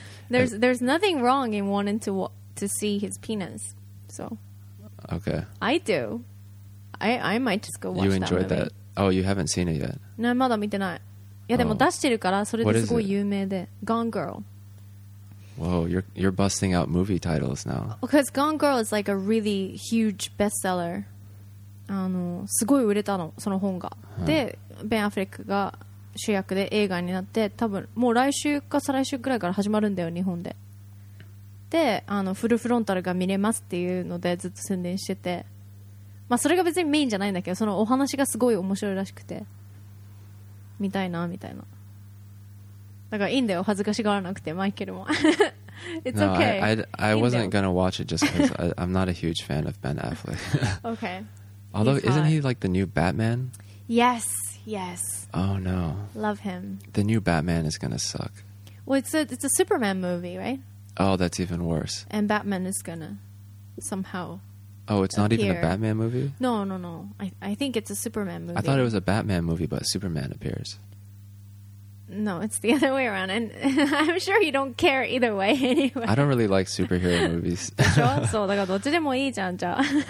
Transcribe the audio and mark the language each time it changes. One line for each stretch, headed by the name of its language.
English: There's nothing wrong in wanting to see his penis. So. Okay. I do. I might just go watch you enjoyed that movie. That? Oh, you haven't seen it yet? No,
Japanese: まだ見てない。いや、でも出してるから、それですごい有名で。
English: Gone Girl. Whoa, you're busting out movie titles now. Because Gone Girl is like a really huge bestseller.
Japanese: あの、すごい売れたの、その本が。 Huh. で、ベン・アフレックが主役で映画になって、多分もう来週か再来週くらいから始まるんだよ、日本で。で、あの、フルフロンタルが見れますっていうのでずっと宣伝してて。まあ、それが別にメインじゃないんだけど、そのお話がすごい面白いらしくて、見たいな、みたいな。だからいいんだよ、恥ずかしがらなくて、マイケルも。
English: It's okay. No, I wasn't gonna watch it just because I'm not a huge fan of Ben Affleck. Okay. Although, isn't he like the new Batman? Yes, yes. Oh, no. Love him. The new Batman is gonna suck. Well, it's a Superman movie, right? Oh, that's even worse. And Batman is gonna somehow... Oh, it's not even a Batman movie? No. I think it's a Superman movie. I thought it was a Batman movie, but Superman appears. No, it's the other way around. And I'm sure you don't care either way anyway. I don't really like superhero movies. So,
Japanese: だからどっちでもいいじゃん、じゃあ。